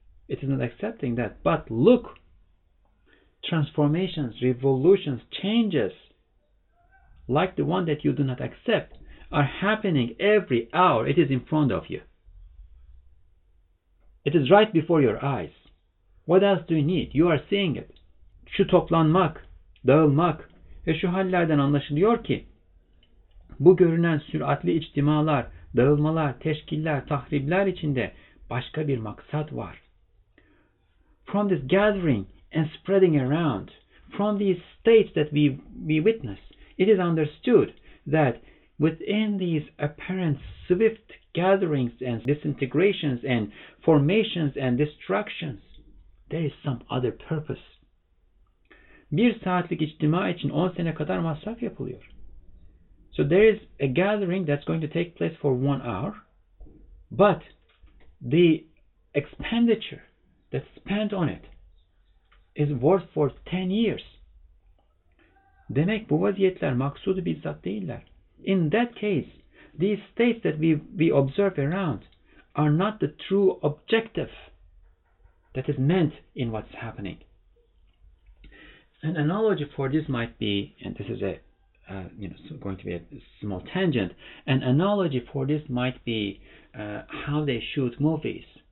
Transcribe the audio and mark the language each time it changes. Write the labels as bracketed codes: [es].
[en] It is not accepting that. But look. Transformations, revolutions, changes, like the one that you do not accept, are happening every hour. It is in front of you. It is right before your eyes. What else do you need? You are seeing it. [tr] Şu toplanmak, dağılmak ve şu hallerden anlaşılıyor ki, bu görünen süratli içtimalar, dağılmalar, teşkiller, tahripler içinde başka bir maksat var. [en] From this gathering and spreading around, from these states that we witness, it is understood that within these apparent swift gatherings and disintegrations and formations and destructions, there is some other purpose. [tr] Bir saatlik içtima için 10 sene kadar masraf yapılıyor. [en] So there is a gathering that's going to take place for 1 hour, but the expenditure that's spent on it is worth for 10 years. [tr] Demek bu vaziyetler maksudu bizzat değiller. [en] In that case, these states that we observe around are not the true objective that is meant in what's happening. An analogy for this might be, and this is going to be a small tangent, an analogy for this might be how they shoot movies.